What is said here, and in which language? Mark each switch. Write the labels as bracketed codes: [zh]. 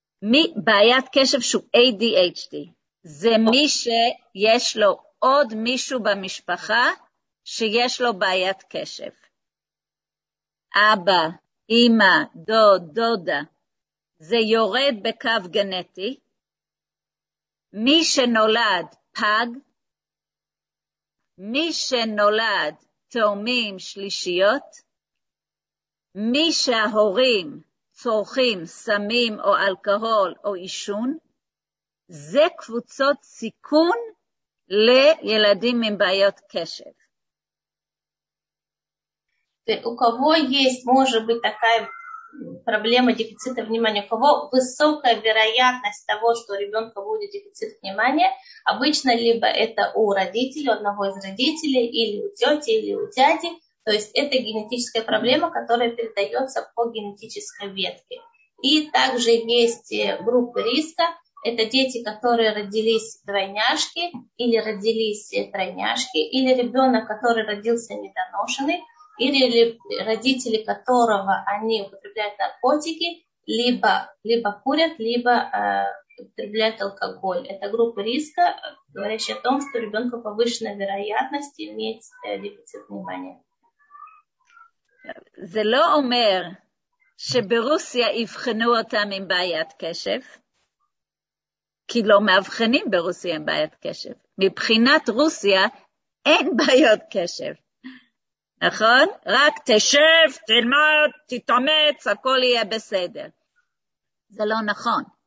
[he] Ми баят кешев шу ADHD? זה מי שיש לו עוד מישהו במשפחה שיש לו בעיית קשב. אבא, אמא, דוד, דודה, זה יורד בקו גנטי. מי שנולד פג, מי שנולד תאומים שלישיות, מי שההורים צורכים סמים או אלכוהול או עישון, זה קבוצות סיכון לילדים עם בעיות קשב. [ru] У кого есть, может быть, такая проблема дефицита внимания, у кого высокая вероятность того, что у ребенка будет дефицит внимания, обычно либо это у родителей, у одного из родителей, или у тети, или у дяди, то есть это генетическая проблема, которая передается по генетической ветке. И также есть группы риска, это дети, которые родились двойняшки, или родились тройняшки, или ребенок, который родился недоношенный, или родители которого они употребляют наркотики, либо курят, либо употребляют алкоголь. Это группа риска, говорящая о том, что ребенку повышена вероятность иметь дефицит внимания. [he] זה לא אומר שברוסיה יבחנו אותם עם בעיית קשב, כי לא מאבחנים ברוסיה עם בעיית קשב. מבחינת רוסיה אין בעיות קשב. נכון? רק תשב, תלמד, תתאמץ, הכל יהיה בסדר. זה לא נכון.